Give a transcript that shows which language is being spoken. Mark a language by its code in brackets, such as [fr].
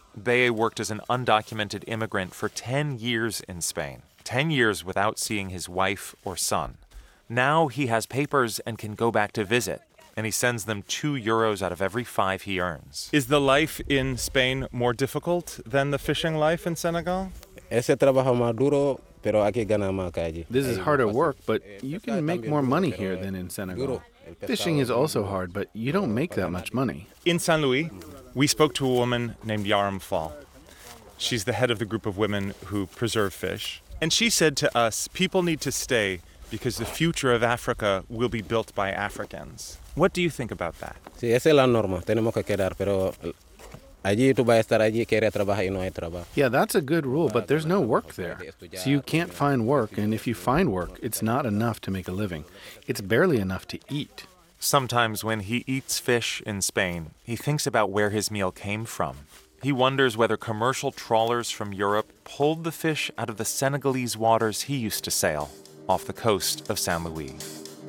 [en] Bea worked as an undocumented immigrant for 10 years in Spain, 10 years without seeing his wife or son. Now he has papers and can go back to visit, and he sends them 2 euros out of every 5 he earns. Is the life in Spain more difficult than the fishing life in Senegal? [es] Ese trabajo más duro, pero hay que ganar más calle. [en] This is harder work, but you can make more money here than in Senegal. Fishing is also hard, but you don't make that much money. In San Luis, we spoke to a woman named Yaram Fall. She's the head of the group of women who preserve fish. And she said to us, people need to stay because the future of Africa will be built by Africans. What do you think about that? [es] Sí, esa es la norma. Tenemos que quedar, pero allí tú vas a estar allí, quieres trabajar y no hay trabajo. [en] Yeah, that's a good rule, but there's no work there. So you can't find work, and if you find work, it's not enough to make a living. It's barely enough to eat. Sometimes when he eats fish in Spain, he thinks about where his meal came from. He wonders whether commercial trawlers from Europe pulled the fish out of the Senegalese waters he used to sail off the coast of San Luis.